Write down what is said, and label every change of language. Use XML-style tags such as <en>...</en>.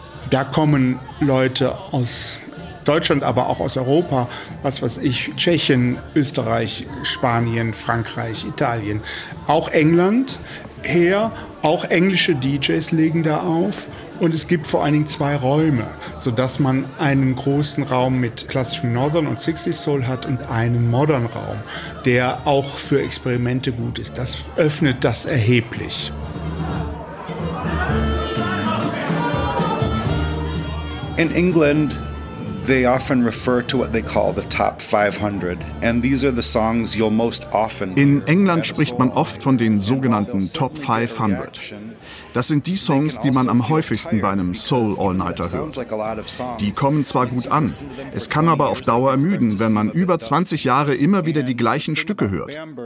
<de>Da kommen Leute aus Deutschland, aber auch aus Europa, was weiß ich, Tschechien, Österreich, Spanien, Frankreich, Italien, auch England her, auch englische DJs legen da auf. Und es gibt vor allen Dingen zwei Räume, sodass man einen großen Raum mit klassischem Northern und 60s Soul hat und einen Modern Raum, der auch für Experimente gut ist. Das öffnet das erheblich.</de> <en>In England, they often refer to what they call the top 500. And these are the songs you'll most often hear.</en> <de>In England spricht man oft von den sogenannten Top 500. Das sind die Songs, die man am häufigsten bei einem Soul All-Nighter hört. Die kommen zwar gut an, es kann aber auf Dauer ermüden, wenn man über 20 Jahre immer wieder die gleichen Stücke hört.</de>